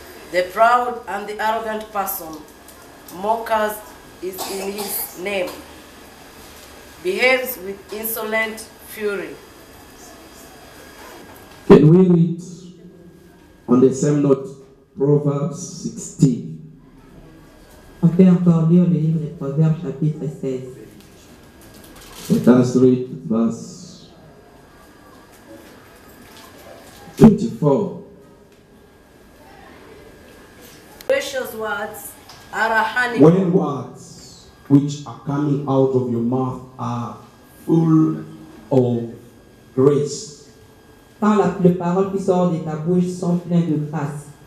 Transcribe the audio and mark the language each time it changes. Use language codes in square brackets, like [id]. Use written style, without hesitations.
[en] The proud and the arrogant person mockers is in his name, behaves with insolent fury. Can we read on the same note Proverbs 16? [fr] On peut encore lire le livre de Proverbes chapitre 16. [en] Let us read verse 24. Precious words are a honey. When words which are coming out of your mouth are full of grace. [fr] Quand les paroles qui sortent de ta bouche sont pleines de grâce.